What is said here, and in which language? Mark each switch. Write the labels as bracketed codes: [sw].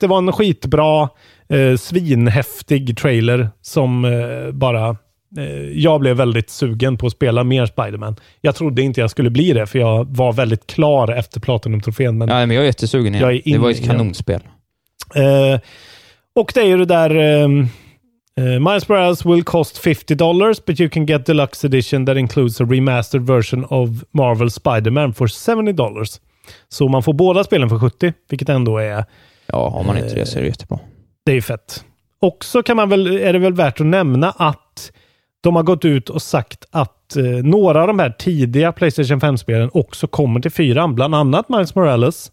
[sv] Det var en skitbra, svinhäftig trailer som bara... jag blev väldigt sugen på att spela mer Spider-Man. Jag trodde inte jag skulle bli det, för jag var väldigt klar efter Platinum-trofén. Men, men jag är jättesugen igen. Det var ju ett kanonspel. Och det är ju det där... [en] Miles Morales will cost $50, but you can get deluxe edition that includes a remastered version of Marvel Spider-Man for $70. [sv] Så man får båda spelen för 70, vilket ändå är... Ja, om man inte det så är det jättebra. Det är fett. Och så kan man väl, är det väl värt att nämna att de har gått ut och sagt att några av de här tidiga PlayStation 5-spelen också kommer till fyran, bland annat Miles Morales,